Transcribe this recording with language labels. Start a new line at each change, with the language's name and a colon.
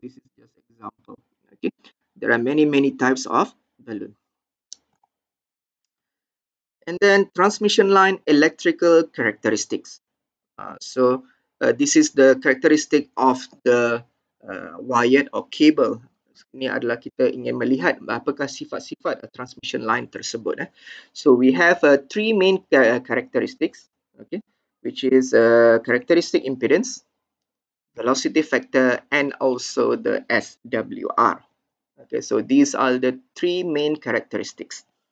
English: This is just example. Okay, there are many types of balloon. And then transmission line electrical characteristics. So this is the characteristic of the wired or cable.
Malay: Ini adalah kita ingin melihat apakah sifat-sifat transmission line tersebut.
English: So we have three main characteristics, okay, which is characteristic impedance, velocity factor, and also the SWR. Okay, so these are the three main characteristics.